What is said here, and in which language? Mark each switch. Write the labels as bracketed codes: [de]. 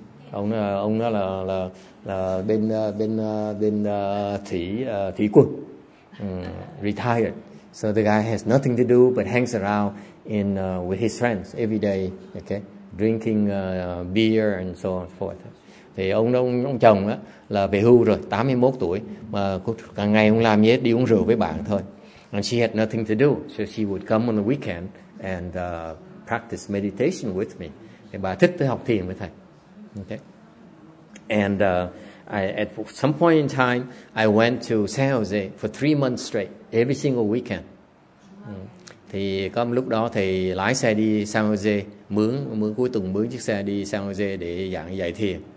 [vi] Ông đó là bên thủy quân, retired. [en] So the guy has nothing to do but hangs around in with his friends every day, okay, drinking beer and so on and forth. [vi] Thì ông chồng á là về hưu rồi, 81 tuổi, mà càng ngày ông làm gì hết, đi uống rượu với bạn thôi. [en] And she had nothing to do, so she would come on the weekend and practice meditation with me. [vi] Thì bà thích tới học thiền với thầy. [en] Okay. And at some point in time, I went to San Jose for 3 months straight, every single weekend. [vi] Thì có một lúc đó thì lái xe đi San Jose, mướn cuối tuần mướn chiếc xe đi San Jose để giảng dạy thiền.